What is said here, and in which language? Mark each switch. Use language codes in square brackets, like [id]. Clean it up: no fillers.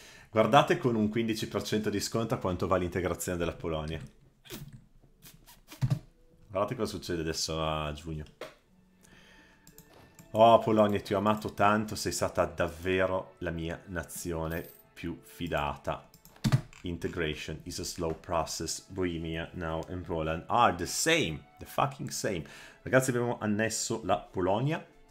[it] Guardate con un 15% di sconto a quanto vale l'integrazione della Polonia. Guardate cosa succede adesso a giugno. Oh Polonia, ti ho amato tanto, sei stata davvero la mia nazione più fidata. [en] Integration is a slow process. Bohemia now and Poland are the same. The fucking same. [it] Ragazzi, abbiamo annesso la Polonia.